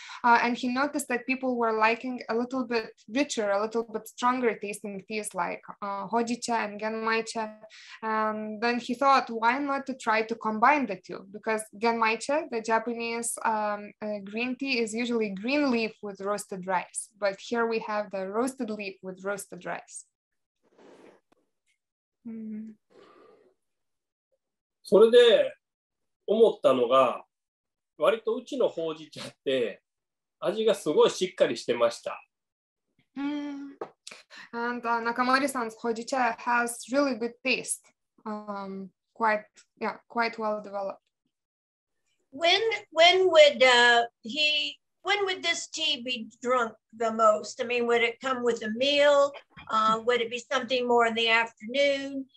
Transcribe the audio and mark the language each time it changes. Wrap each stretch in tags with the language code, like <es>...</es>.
<en>And he noticed that people were liking a little bit richer, a little bit stronger tasting teas like hojicha and genmaicha. And then he thought, why not to try to combine the two? Because genmaicha, the Japanese green tea, is usually green leaf with roasted rice. But here we have the roasted leaf with roasted rice.</en> <ja>それで思ったのが、割とうちのほうじ茶って味がすごいしっかりしてました。</ja> <en>And Nakamori-san's hojicha has really good taste. Quite well developed. When would this tea be drunk the most? I mean, would it come with a meal? Would it be something more in the afternoon?</en>